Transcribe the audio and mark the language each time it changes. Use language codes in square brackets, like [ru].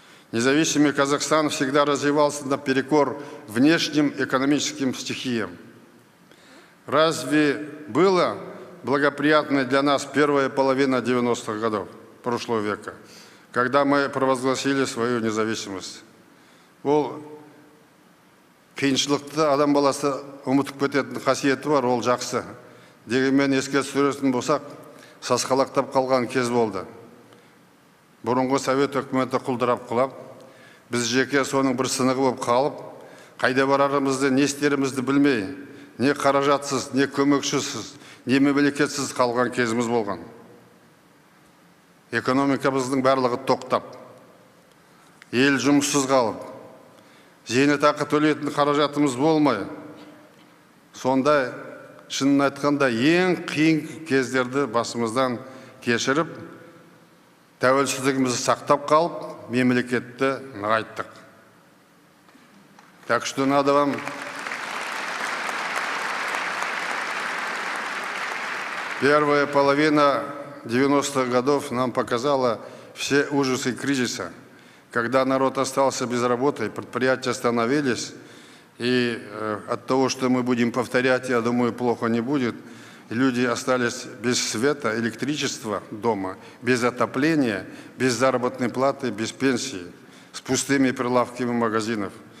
[ru] Независимый Казахстан всегда развивался наперекор внешним экономическим стихиям. Разве было благоприятной для нас первая половина 90-х годов прошлого века, когда мы провозгласили свою независимость? [kk] Қиыншылықты адам баласы ұмытып кететін қасиеті бар, ол жақсы. Дегенмен еске түсіретін болсақ, сасқалақтап қалған кез болды. Бұрынғы совет үкіметі құлдырап құлап, біз жеке соның бір сынығы болып қалып, қайда барарымызды, не істерімізді білмей, не қаражатсыз, не көмекшісіз, не мемлекетсіз қалған кезіміз болған. Экономикамыздың барлығы тоқтап, ел жұмыссыз қалып, зейнетақы төлейтін қаражатымыз болмай. Сонда, шынын айтқанда, ең қиын кездерді басымыздан кешіріп, тәуелсіздігімізді сақтап қалып, мемлекетті нығайттық. [ru] Так что надо вам первая половина 90-х годов нам показала все ужасы кризиса, когда народ остался без работы, предприятия остановились, и от того, что мы будем повторять, я думаю, плохо не будет, люди остались без света, электричества дома, без отопления, без заработной платы, без пенсии, с пустыми прилавками магазинов.